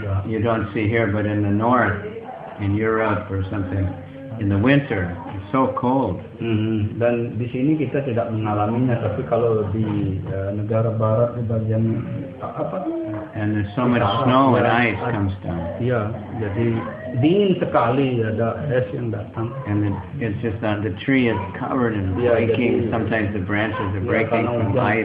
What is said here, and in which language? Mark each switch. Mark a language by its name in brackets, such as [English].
[English] You don't see here, but in the north, in Europe or something, in the winter, it's so cold. [Indonesian] Dan di sini kita tidak mengalaminya, tapi kalau di negara barat di bagian [English] And there's so much snow and ice comes down. [Indonesian] Ya, jadi dingin sekali, ada es yang datang. [English] And it's just that the tree is covered in breaking. [Indonesian] Jadi, [English] sometimes the branches are breaking from ice.